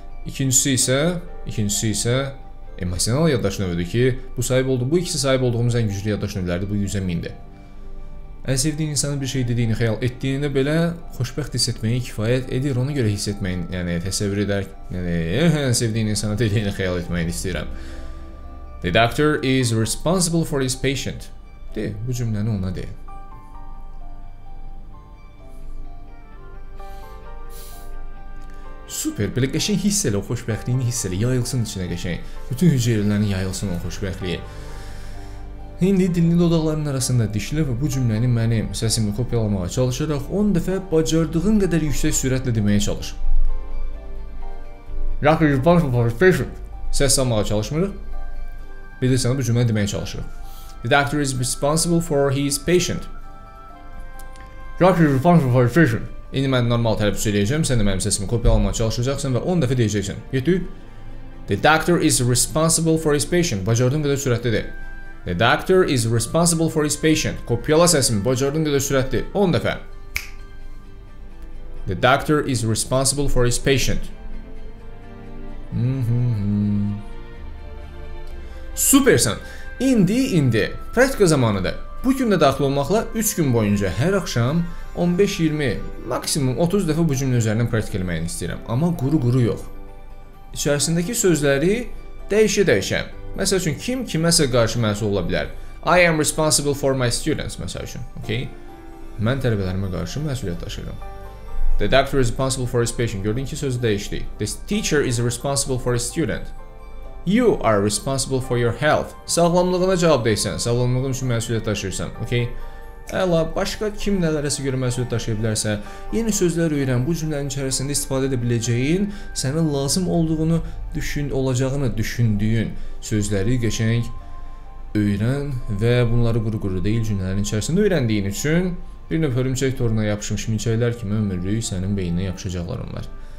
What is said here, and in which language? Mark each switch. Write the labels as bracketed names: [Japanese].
[Azerbaijani] İkincisi isə emosional yaddaş növüdür ki, bu ikisi sahib olduğumuz ən güclü yaddaş növlərdir, bu 100-ə mindir. Ən sevdiyin insanın bir şey dediyini xəyal etdiyində belə xoşbəxt hiss etməyi kifayət edir, ona görə hiss etməyin, yəni təsəvvür edər, yəni ən sevdiyin insana dediyini xəyal etməyin istəyirəm. [English] The doctor is responsible for his patient. [Azerbaijani] De, bu cümləni ona de. Super, belə qəşəng hiss elə, o xoşbəxtliyini hiss elə, yayılsın içinə qəşəng. Bütün hüceyrələrin yayılsın o xoşbəxtliyi. İndi dilini dodaqlarının arasında dişlə və bu cümləni mənim səsimi kopyalamağa çalışaraq 10 dəfə bacardığın qədər yüksək sürətlə deməyə çalış. [English] Doctor is responsible for his patient. [Azerbaijani] Səs salmağa çalışmırıq. Bilirsən, bu cümləni deməyə çalışırıq. [English] The doctor is responsible for his patient. Doctor is responsible for his patient. [Azerbaijani] İndi mən normal tələffüz eləyəcəm, sən də mənim səsimi kopyalamağa çalışacaqsan və 10 dəfə deyəcəksən. Yetdi? [English] The doctor is responsible for his patient. [Azerbaijani] Bacardığın qədər sürətlidir. [English] The doctor is responsible for his patient. [Azerbaijani] Kopyala səsimi, bacardığın qədər sürətli. 10 dəfə. [English] The doctor is responsible for his patient. [Azerbaijani] Supersən. İndi. Praktika zamanıdır. Bu gündə daxil olmaqla 3 gün boyunca hər axşam 15-20, maksimum 30 dəfə bu cümlə üzərindən praktik eləməyini istəyirəm. Amma quru-quru yox. İçərisindəki sözləri dəyişə-dəyişə. Məsəl üçün, kim kiməsə qarşı məsul ola bilər? [English] I am responsible for my students, [Azerbaijani] məsəl üçün. Okay? Mən tələbələrimə qarşı məsuliyyət daşıyıram. [English] The doctor is responsible for his patient. [Azerbaijani] Gördün ki, sözü dəyişdi. [English] The teacher is responsible for his student. You are responsible for your health. [Azerbaijani] Sağlamlığına cavab deysən, sağlamlığın üçün məsuliyyət daşıyırsan. Okay? Əla, başqa kim nələrəsə görə məsuliyyət daşıya bilərsə, yeni sözlər öyrən, bu cümlənin içərisində istifadə edə biləcəyin, sənə lazım olduğunu, olacağını düşündüyün sözləri qəşəng öyrən və bunları quru-quru deyil cümlənin içərisində öyrəndiyin üçün bir növ hörümçək toruna yapışmış minçəklər kimi ömürlüyü sənin beyninə yapışacaqlar onlar.